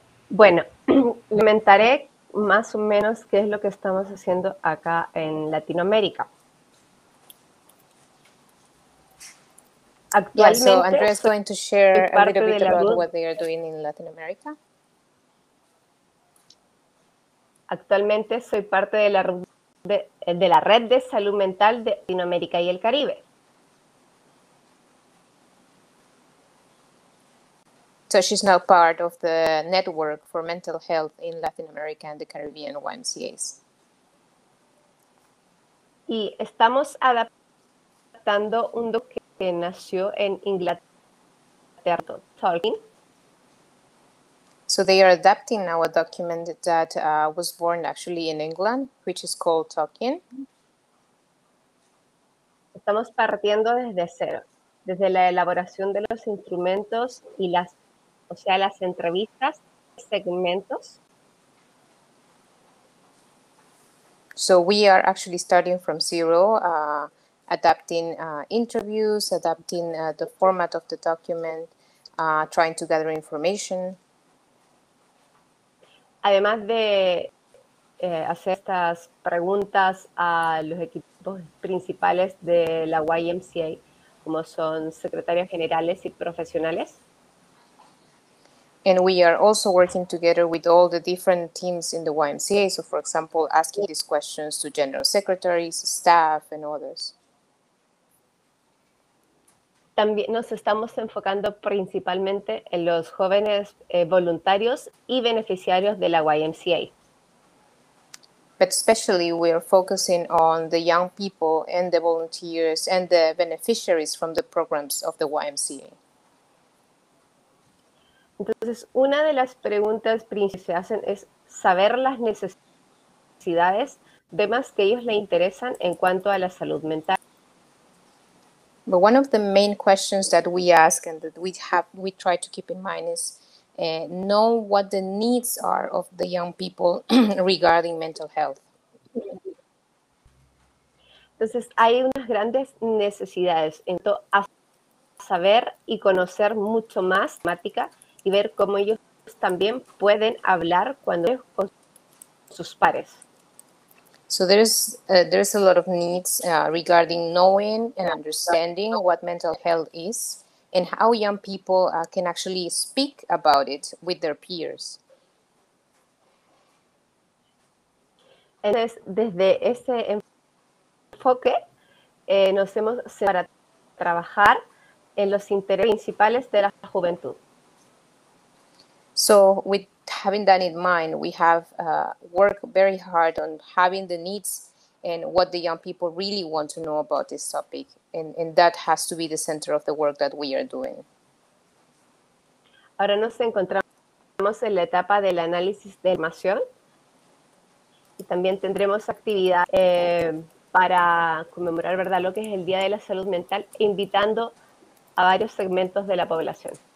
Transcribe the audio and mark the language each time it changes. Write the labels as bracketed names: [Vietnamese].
[Spanish] Bueno, comentaré más o menos qué es lo que estamos haciendo acá en Latinoamérica. [English] Actually, yeah, so Andrea is going to share a little bit about what they are doing in Latin America. [Spanish] Actualmente soy parte de la red de salud mental de Latinoamérica y el Caribe. [English] So she's now part of the network for mental health in Latin America and the Caribbean YMCAs. [Spanish] Y estamos adaptando un documento que nació en Inglaterra. [English] Talking. So they are adapting now a document that was born actually in England, which is called Talking. [Spanish] Estamos partiendo desde cero, desde la elaboración de los instrumentos y las, o sea, las entrevistas, segmentos. [English] So we are actually starting from zero, adapting interviews, adapting the format of the document, trying to gather information. [Spanish] Además de hacer estas preguntas a los equipos principales de la YMCA, como son secretarias generales y profesionales. [English] And we are also working together with all the different teams in the YMCA. So, for example, asking these questions to general secretaries, staff, and others. [Spanish] También nos estamos enfocando principalmente en los jóvenes voluntarios y beneficiarios de la YMCA. [English] But especially we are focusing on the young people and the volunteers and the beneficiaries from the programs of the YMCA. [Spanish] Entonces, una de las preguntas principales que se hacen es saber las necesidades de más que ellos le interesan en cuanto a la salud mental. [English] But one of the main questions that we ask and that we try to keep in mind is know what the needs are of the young people regarding mental health. [Spanish] Entonces, hay unas grandes necesidades en to a saber y conocer mucho más temática y ver cómo ellos también pueden hablar cuando con sus pares. [English] So there's a lot of needs regarding knowing and understanding what mental health is and how young people can actually speak about it with their peers. [Spanish] Entonces, desde ese enfoque, nos hemos centrado para trabajar en los intereses principales de la juventud. [English] So with having that in mind, we have worked very hard on having the needs and what the young people really want to know about this topic. And that has to be the center of the work that we are doing. [Spanish] Ahora nos encontramos en la etapa del análisis de información. Y también tendremos actividad para conmemorar, ¿verdad?, lo que es el Día de la Salud Mental, invitando a varios segmentos de la población.